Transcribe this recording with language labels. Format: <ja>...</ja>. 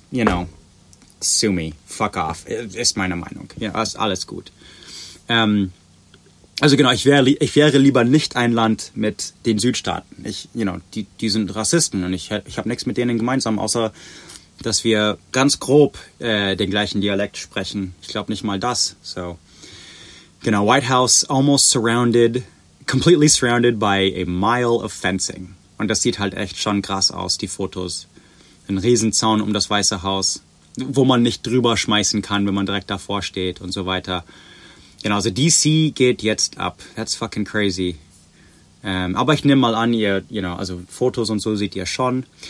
<en>You know, sue me, fuck off.</en> <de>Ist meine Meinung. Ja, ist alles gut. Also genau, ich wäre lieber nicht ein Land mit den Südstaaten. Ich, you know, die sind Rassisten und ich habe nichts mit denen gemeinsam, außer dass wir ganz grob den gleichen Dialekt sprechen. Ich glaube nicht mal das.</de> <en>So, genau, White House almost surrounded, completely surrounded by a mile of fencing.</en> <de>Und das sieht halt echt schon krass aus, die Fotos. Ein Riesenzaun um das Weiße Haus, wo man nicht drüber schmeißen kann, wenn man direkt davor steht und so weiter. Genau, also DC geht jetzt ab.</de> <en>That's fucking crazy.</en> <de>Aber ich nehme mal an, ihr, you know, also Fotos und so seht ihr schon.</de>